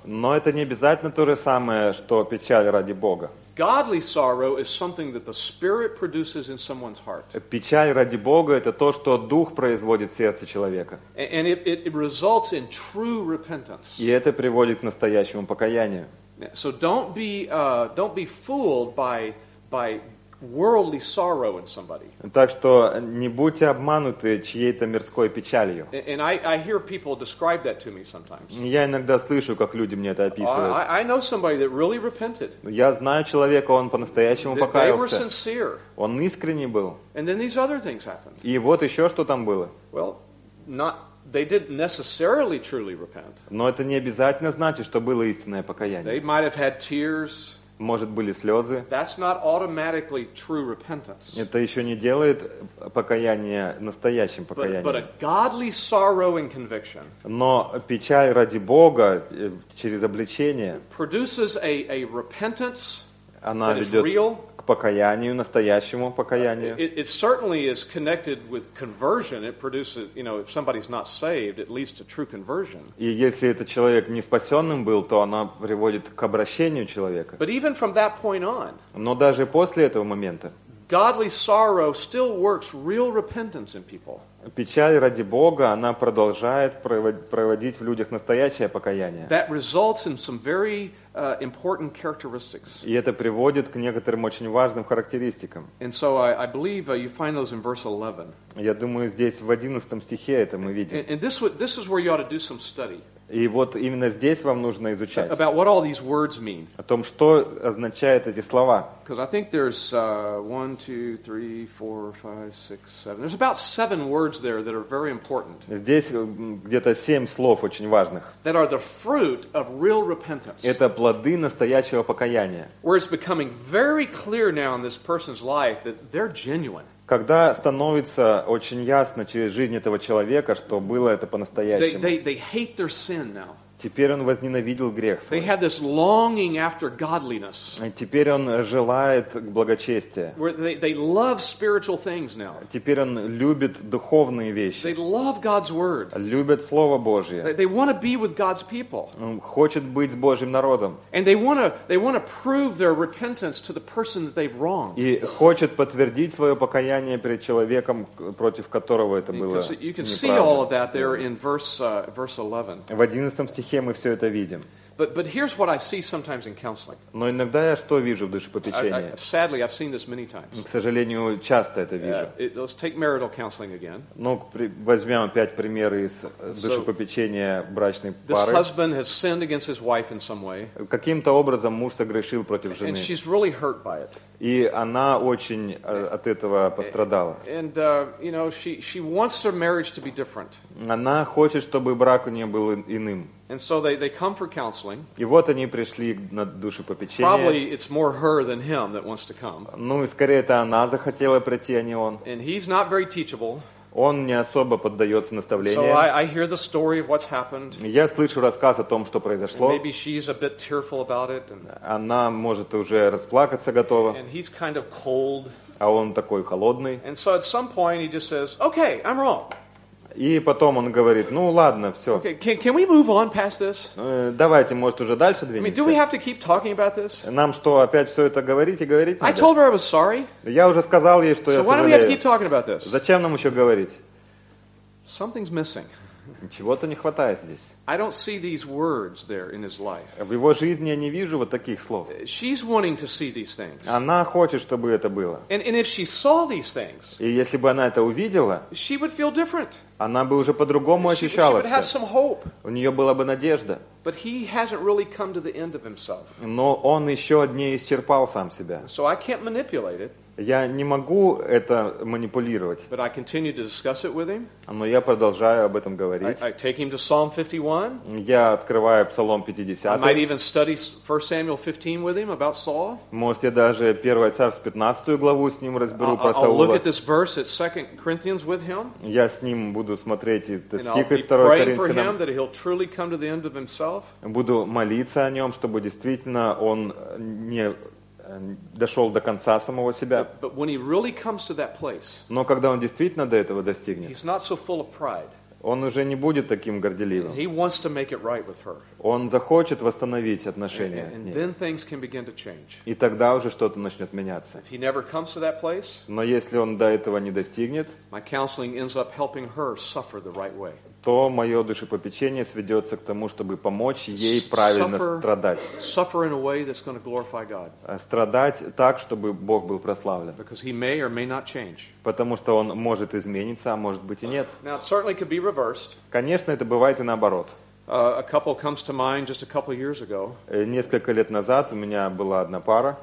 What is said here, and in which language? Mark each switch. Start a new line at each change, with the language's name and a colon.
Russian: Но это не обязательно то же самое, что печаль ради Бога.
English: Godly sorrow is something that the Spirit produces in someone's heart.
Russian: Печаль ради Бога это то, что Дух производит в сердце человека.
English: And it results in true repentance.
Russian: И это приводит к настоящему покаянию.
English: So don't be fooled by worldly sorrow in somebody.
Russian: Так что не будьте обмануты чьей-то мирской печалью.
English: And I hear people describe that to me sometimes.
Russian: Я иногда слышу, как люди мне это описывают.
English: I know somebody that really repented.
Russian: Я знаю человека, он по-настоящему покаялся.
English: They were sincere.
Russian: Он искренний был.
English: And then these other things happened.
Russian: И вот еще что там было.
English: Well, not they didn't necessarily truly repent.
Russian: Но это не обязательно значит, что было истинное покаяние.
English: They might have had tears.
Russian: Может, были слезы.
English: That's not automatically true repentance.
Russian: Это еще не делает покаяние настоящим покаянием.
English: But a godly sorrow and conviction.
Russian: Но печаль ради Бога через обличение.
English: Produces a repentance.
Russian: Она ведет к покаянию, настоящему покаянию.
English: It certainly is connected with conversion. It produces, you know, if somebody's not saved, it leads to true conversion.
Russian: И если этот человек не спасенным был, то она приводит к обращению человека.
English: But even from that point on.
Russian: Но даже после этого момента.
English: Godly sorrow still works real repentance in people.
Russian: Печаль ради Бога, она продолжает проводить в людях настоящее покаяние.
English: That results in some very important characteristics.
Russian: И это приводит к некоторым очень важным характеристикам.
English: And so I believe you find those in verse 11.
Russian: Я думаю, здесь в 11 стихе это мы видим.
English: And this is where you ought to do some study.
Russian: И вот именно здесь вам нужно изучать.
English: About what all these words mean.
Russian: О том, что означают эти слова.
English: Because I think there's 1, 2, 3, 4, 5, 6, 7. There's about 7 words there that are very important.
Russian: Здесь где-то 7 слов очень важных.
English: That are the fruit of real repentance.
Russian: Это плоды настоящего покаяния.
English: Where it's becoming very clear now in this person's life that they're genuine.
Russian: Когда становится очень ясно через жизнь этого человека, что было это по-настоящему.
English: They hate their sin now.
Russian: Теперь он возненавидел грех свой.
English: They have this longing after godliness.
Russian: Теперь он желает благочестия.
English: They love spiritual things now.
Russian: Теперь он любит духовные вещи.
English: They love God's word.
Russian: Любит Слово Божие.
English: They want to be with God's people.
Russian: Он хочет быть с Божьим народом.
English: And they want to prove their repentance to the person that they've wronged.
Russian: И хочет подтвердить свое покаяние перед человеком, против которого это было неправильно.
English: You can see all of that there in verse 11.
Russian: В 11 стихе мы все это видим.
English: But here's what I see sometimes in counseling.
Russian: Но иногда я что вижу в душепопечении?
English: Sadly, I've seen this many times.
Russian: К сожалению, часто это вижу.
English: Let's take marital counseling again.
Russian: Ну, возьмем опять примеры из душепопечения брачной пары.
English: This husband has sinned against his wife in some way.
Russian: Каким-то образом муж согрешил против жены.
English: And she's really hurt by it.
Russian: И она очень от этого пострадала.
English: And you know, she wants her marriage to be different.
Russian: Она хочет, чтобы брак у нее был иным.
English: And so they come for counseling.
Russian: И вот они пришли на душепопечение.
English: Probably it's more her than him that wants to come.
Russian: Ну, и скорее это она захотела прийти, а не он.
English: And he's not very teachable.
Russian: Он не особо поддается наставлению.
English: So I hear the story of what's happened.
Russian: Я слышу рассказ о том, что произошло.
English: Maybe she's a bit tearful about it.
Russian: Она может уже расплакаться готова.
English: And he's kind of cold.
Russian: А он такой холодный.
English: And so at some point he just says, "Okay, I'm wrong."
Russian: И потом он говорит, ну ладно, все.
English: Okay, can we move on past this?
Russian: Давайте, может, уже дальше двинемся.
English: I mean, do we have to keep talking about this?
Russian: Нам что, опять все это говорить и говорить надо?
English: I told her I was sorry.
Russian: Я уже сказал ей, что
English: so
Russian: я
English: why Do we have to keep talking about this?
Russian: Зачем нам еще говорить?
English: Something's missing.
Russian: Чего-то не хватает здесь.
English: I don't see these words there in his life.
Russian: В его жизни я не вижу вот таких слов.
English: She's wanting to see these things.
Russian: Она хочет, чтобы это было.
English: And if she saw these things,
Russian: и если бы она это увидела,
English: she would feel different.
Russian: Она бы уже по-другому ощущала
English: she would have some hope.
Russian: У нее была бы надежда.
English: But he hasn't really come to the end of himself.
Russian: Но он еще не исчерпал сам себя.
English: So I can't manipulate it.
Russian: Я не могу это манипулировать.
English: But I continue to discuss it with him.
Russian: Но я продолжаю об этом говорить.
English: I take him to Psalm 51.
Russian: Я открываю Псалом 50.
English: I might even study 1 Samuel 15 with him about Saul.
Russian: Может, я даже 1 Царств 15 главу с ним разберу про Саула.
English: I'll look at this verse at 2 Corinthians with him.
Russian: Я с ним буду смотреть этот стих из 2 Коринфянам.
English: And I'll be praying for him that he'll truly come to the end of himself.
Russian: Буду молиться о нем, чтобы действительно он не дошел до конца самого себя.
English: But when he really comes to that place,
Russian: но когда он действительно до этого достигнет,
English: he's not so full of pride.
Russian: Он уже не будет таким горделивым.
English: He wants to make it right with her.
Russian: Он захочет восстановить отношения
English: and
Russian: с ней.
English: Then things can begin to change.
Russian: И тогда уже что-то начнет меняться.
English: If he never comes to that place,
Russian: но если он до этого не достигнет,
English: my counseling ends up helping her suffer the right way.
Russian: То мое душепопечение сведется к тому, чтобы помочь ей правильно страдать.
English: Suffer in a way that's going to glorify God.
Russian: Страдать так, чтобы Бог был прославлен.
English: Because he may or may not change.
Russian: Потому что он может измениться, а может быть и нет.
English: Now, it certainly could be reversed.
Russian: Конечно, это бывает и наоборот.
English: A couple comes to mind just a couple years ago.
Russian: Несколько лет назад у меня была одна пара.